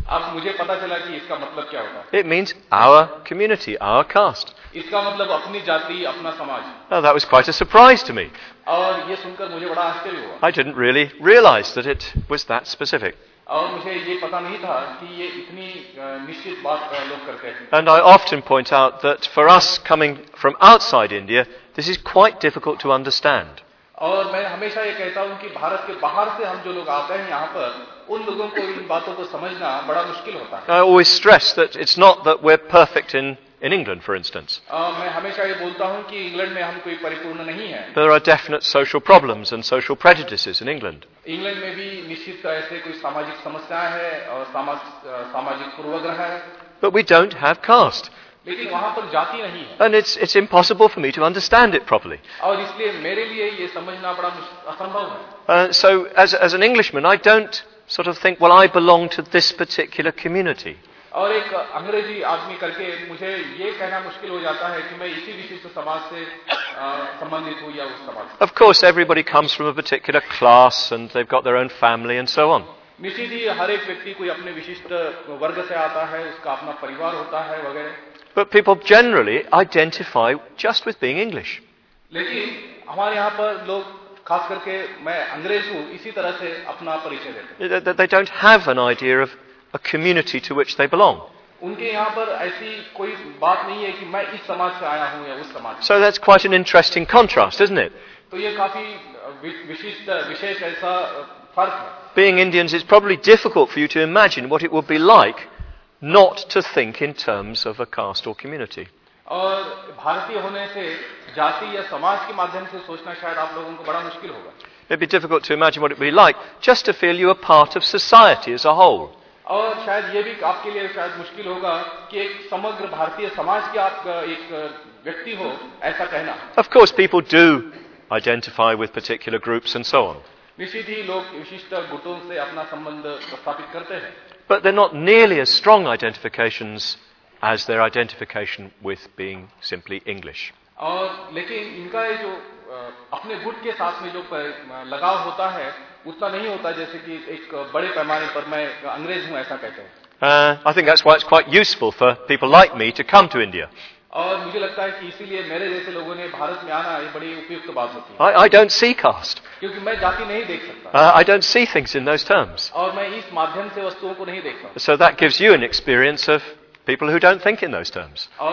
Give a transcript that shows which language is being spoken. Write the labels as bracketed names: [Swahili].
[Hindi] अब मुझे पता चला कि इसका मतलब क्या होगा. [English] It means our community, our caste. [Hindi] इसका मतलब अपनी जाति अपना समाज. [English] Now that was quite a surprise to me. [Hindi] और ये सुनकर मुझे बड़ा आश्चर्य हुआ. [English] I didn't really realize that it was that specific. [Hindi] और मुझे ये पता नहीं था कि ये इतनी निश्चित बात लोग करते हैं. [English] And I often point out that for us coming from outside India, this is quite difficult to understand. [Hindi] और मैं हमेशा ये कहता हूँ कि भारत के बाहर से हम जो लोग आते हैं यहाँ पर उन लोगों को इन बातों को समझना बड़ा मुश्किल होता है. [English] I always stress that it's not that we're perfect in England, for instance. [Hindi] मैं हमेशा ये बोलता हूँ कि इंग्लैंड में हम कोई परिपूर्ण नहीं है. [English] There are definite social problems and social prejudices in England. [Hindi] England में भी निश्चित ऐसे कोई सामाजिक समस्याएं हैं और सामाजिक पूर्वग्रह हैं. [English] But we don't have caste. [Hindi] लेकिन वहाँ पर जाति नहीं है. [English] And it's impossible for me to understand it properly. [Hindi] और इसलिए मेरे लिए ये समझना बड़ा असंभव है. [English] So as an Englishman, I don't sort of think, well, I belong to this particular community. [Hindi] और एक अंग्रेजी आदमी करके मुझे ये कहना मुश्किल हो जाता है कि मैं इसी विशिष्ट समाज से संबंधित हूँ या उस समाज. [English] Of course, everybody comes from a particular class and they've got their own family and so on. [Hindi] निश्चित ही हर एक व्यक्ति कोई अपने विशिष्ट वर्ग से आता है, उसका अपना परिवार होता है वगैरह. [English] But people generally identify just with being English. [Hindi] लेकिन हमारे यहाँ पर लोग खास करके मैं अंग्रेज हूँ इसी तरह से अपना परिचय देते हैं. [English] They don't have an idea of a community to which they belong. [Hindi] उनके यहाँ पर ऐसी कोई बात नहीं है कि मैं इस समाज से आया हूँ या उस समाज. [English] So that's quite an interesting contrast, isn't it? [Hindi] तो ये काफी विशिष्ट विशेष ऐसा फर्क है. [English] Being Indians, it's probably difficult for you to imagine what it would be like not to think in terms of a caste or community. [Hindi] और भारतीय होने से जाति या समाज के माध्यम से सोचना शायद आप लोगों को बड़ा मुश्किल होगा. [English] It'd be difficult to imagine what it would be like just to feel you are part of society as a whole. [Hindi] और शायद ये भी आपके लिए शायद मुश्किल होगा कि एक समग्र भारतीय समाज के आप एक व्यक्ति हो ऐसा कहना. [English] Of course, people do identify with particular groups and so on. [Hindi] निश्चित ही लोग विशिष्ट गुटों से अपना संबंध स्थापित करते हैं. [English] But they're not nearly as strong identifications as their identification with being simply English. [Hindi] और लेकिन इनका जो अपने गुट के साथ में जो लगाव होता है उतना नहीं होता जैसे कि एक बड़े पैमाने पर मैं अंग्रेज हूँ ऐसा कहते हैं. [English] I think that's why it's quite useful for people like me to come to India. [Hindi] और मुझे लगता है कि इसीलिए मेरे जैसे लोगों ने भारत में आना ये बड़ी उपयुक्त बात होती है. [English] I don't see caste. [Hindi] क्योंकि मैं जाति नहीं देख सकता. [English] I don't see things in those terms. [Hindi] और मैं इस माध्यम से वस्तुओं को नहीं देखता. [English] So that gives you an experience of people who don't think in those terms.